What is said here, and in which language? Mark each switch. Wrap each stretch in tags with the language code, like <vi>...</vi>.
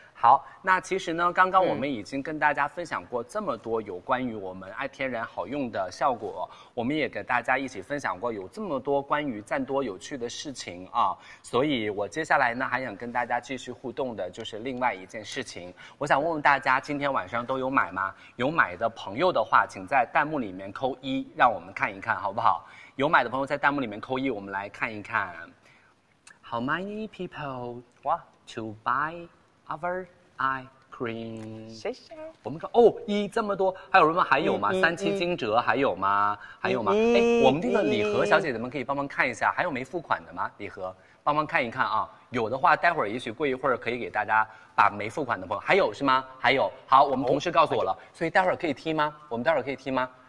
<zh>好，那其实呢，刚刚我们已经跟大家分享过这么多有关于我们爱天然好用的效果，我们也给大家一起分享过有这么多关于赞多有趣的事情啊。所以我接下来呢，还想跟大家继续互动的就是另外一件事情，我想问问大家，今天晚上都有买吗？有买的朋友的话，请在弹幕里面扣一，让我们看一看，好不好？有买的朋友在弹幕里面扣一，我们来看一看。</zh> <en>How many people want to buy our eye cream？</en> <zh>谢谢。我们说哦，一这么多，还有什么？还有吗？三七惊蛰还有吗？还有吗？哎，我们这个礼盒，小姐姐们可以帮忙看一下，还有没付款的吗？礼盒，帮忙看一看啊。有的话，待会儿也许过一会儿可以给大家把没付款的朋友，还有是吗？还有，好，我们同事告诉我了，所以待会儿可以踢吗？我们待会儿可以踢吗？</zh>